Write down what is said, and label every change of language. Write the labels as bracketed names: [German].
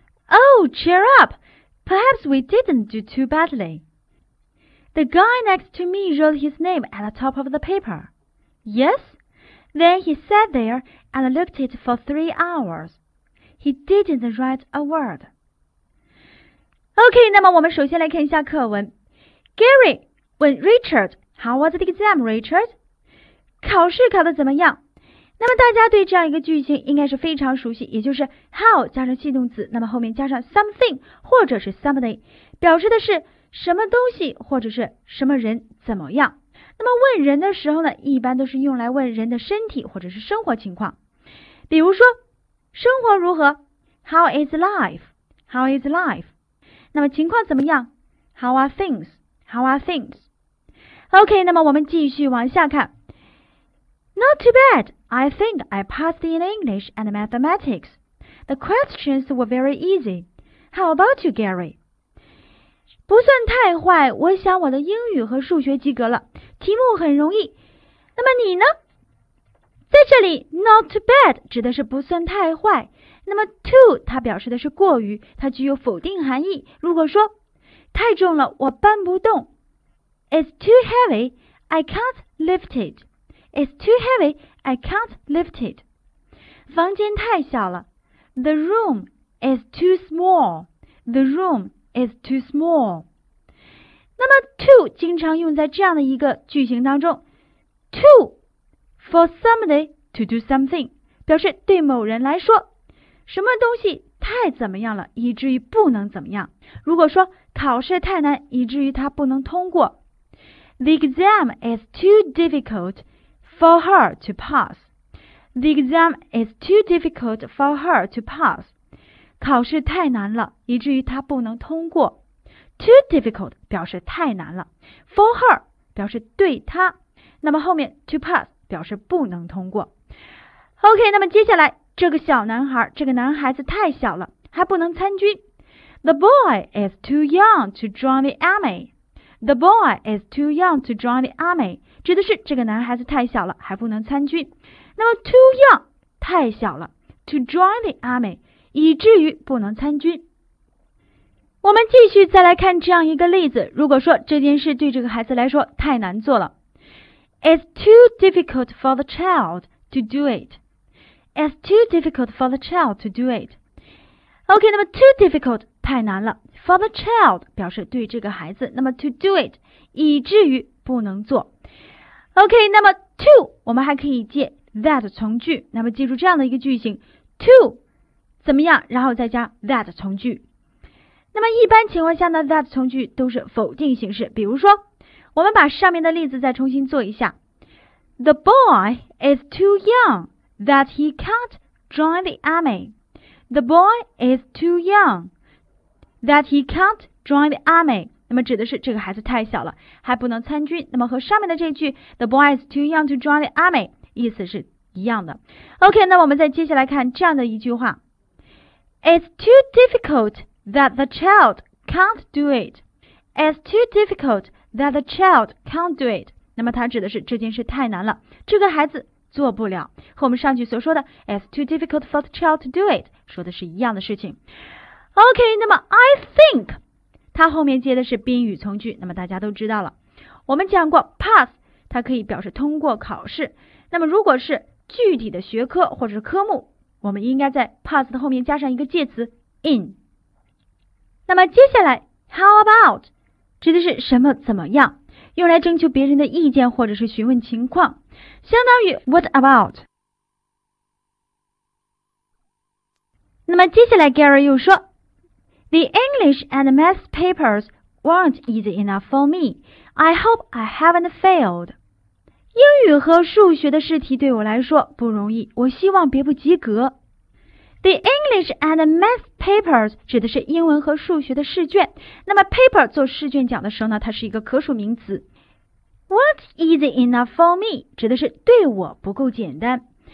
[English] Oh, cheer up! Perhaps we didn't do too badly. The guy next to me wrote his name at the top of the paper. Yes? Then he sat there and looked at it for 3 hours. He didn't write a word. [Chinese] OK, 那么我们首先来看一下课文。 [English] Gary [Chinese] 问 [English] Richard, How was the exam, Richard? [Chinese] 考试考得怎么样？那么大家对这样一个句型应该是非常熟悉，也就是 how 加上系动词，那么后面加上 something 或者是 somebody, 表示的是什么东西或者是什么人怎么样。那么问人的时候呢，一般都是用来问人的身体或者是生活情况。比如说生活如何 ? [English] How is life? How is life? [Chinese] 那么情况怎么样 ? [English] How are things? How are things? [Chinese] OK, 那么我们继续往下看。 [English] Not too bad. I think I passed in English and mathematics. The questions were very easy. How about you, Gary? [Chinese] 不算太坏，我想我的英语和数学及格了，题目很容易。那么你呢？在这里 , [English] not too bad [Chinese] 指的是不算太坏。那么 too 它表示的是过于，它具有否定含义。如果说太重了，我搬不动。 [English] It's too heavy, I can't lift it. It's too heavy, I can't lift it. [Chinese] 房间太小了。 [English] The room is too small. The room is too small. [Chinese] 那么 too 经常用在这样的一个句型当中。 [English] too for somebody to do something [Chinese] 表示对某人来说什么东西太怎么样了，以至于不能怎么样。如果说考试太难，以至于他不能通过。 [English] The exam is too difficult for her to pass. The exam is too difficult for her to pass. [Chinese] 考试太难了，以至于他不能通过。 [English] Too difficult [Chinese] 表示太难了。 [English] For her [Chinese] 表示对他。那么后面 to pass 表示不能通过。 OK, 那么接下来这个小男孩，这个男孩子太小了，还不能参军。 [English] The boy is too young to join the army. The boy is too young to join the army. [Chinese] 指的是这个男孩子太小了，还不能参军。那么 too young, 太小了 , [English] to join the army. [Chinese] 以至于不能参军。我们继续再来看这样一个例子，如果说这件事对这个孩子来说太难做了。 [English] It's too difficult for the child to do it. It's too difficult for the child to do it. [Chinese] OK, 那么 too difficult, 太难了。 [English] For the child, [Chinese] 表示对这个孩子，那么 [English] to do it, [Chinese] 以至于不能做。 OK, 那么 too, 我们还可以借 that 从句，那么记住这样的一个句型 too,怎么样，然后再加 that 从句。那么一般情况下呢 ,that 从句都是否定形式。比如说我们把上面的例子再重新做一下。 [English] The boy is too young that he can't join the army. The boy is too young that he can't join the army. [Chinese] 那么指的是这个孩子太小了，还不能参军。那么和上面的这句 [English] The boy is too young to join the army [Chinese] 意思是一样的。 OK, 那我们再接下来看这样的一句话。 [English] It's too difficult that the child can't do it. It's too difficult that the child can't do it. [Chinese] 那么它指的是这件事太难了，这个孩子做不了，和我们上句所说的 [English] It's too difficult for the child to do it [Chinese] 说的是一样的事情。 OK, 那么 I think 它后面接的是宾语从句，那么大家都知道了，我们讲过 pass 它可以表示通过考试，那么如果是具体的学科或者是科目，我们应该在 pass 的后面加上一个介词 in。那么接下来 how about 指的是什么怎么样，用来征求别人的意见或者是询问情况，相当于 what about。那么接下来 [English] Gary [Chinese] 又说 [English] The English and math papers weren't easy enough for me. I hope I haven't failed. [Chinese] 英语和数学的试题对我来说不容易，我希望别不及格。 [English] The English and math papers [Chinese] 指的是英文和数学的试卷，那么 paper 做试卷讲的时候呢，它是一个可数名词。 [English] What's easy enough for me [Chinese] 指的是对我不够简单。